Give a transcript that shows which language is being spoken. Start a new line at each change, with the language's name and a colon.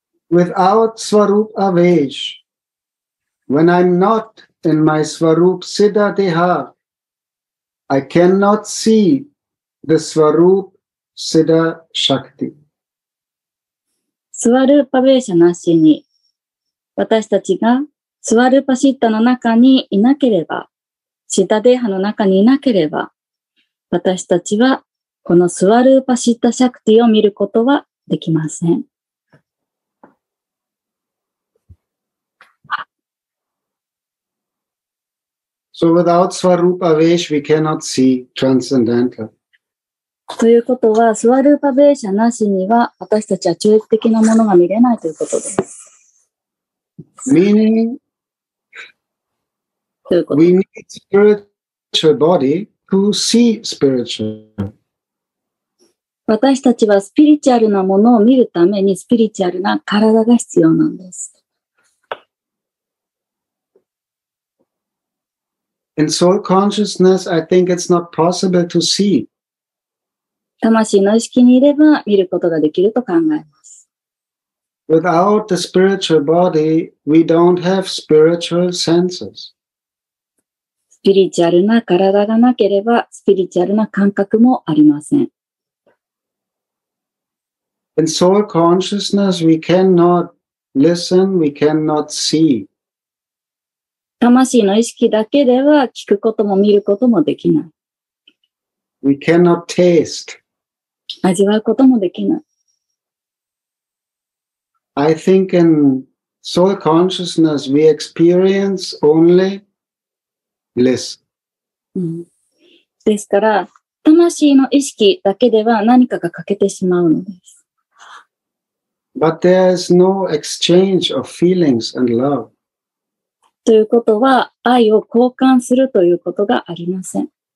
English: Without Swarup Avesh, when I'm not in my Swarup Siddha Deha, I cannot see the Swarup.
Japanese: シダシャクティ。スワルーパベーシャなしに、私たちがスワルーパシッタの中にいなければ、シダデーハの中にいなければ、私たちはこのスワルーパシッタシャクティを見ることはできません。
English: So without Swarup Avesh, we cannot see transcendental.
Japanese: ということは、スワルーパベーシャなしには、私たちは超越的なものが見れないということです。
English: Meaning,
Japanese: ということ
English: we need spiritual body to see spiritual.
Japanese: 私たちはスピリチュアルなものを見るために、スピリチュアルな体が必要なんです。
English: In soul consciousness, I think it's not possible to see.
Japanese: 魂の意識にいれば見ることができると考えます。
English: Without the spiritual body, we don't have spiritual senses.
Japanese: スピリチュアルな体がなければ、スピリチュアルな感覚もありません。
English: In soul consciousness, we cannot listen, we cannot see.
Japanese: 魂の意識だけでは聞くことも見ることもできない。
English: We cannot taste.
Japanese: 味わうこともできない。
English: I think in soul consciousness we experience only bliss.、
Japanese: うん、ですから、魂の意識だけでは何かが欠けてしまうのです。
English: But there is no exchange of feelings and love.
Japanese: ということは、愛を交換するということがありません。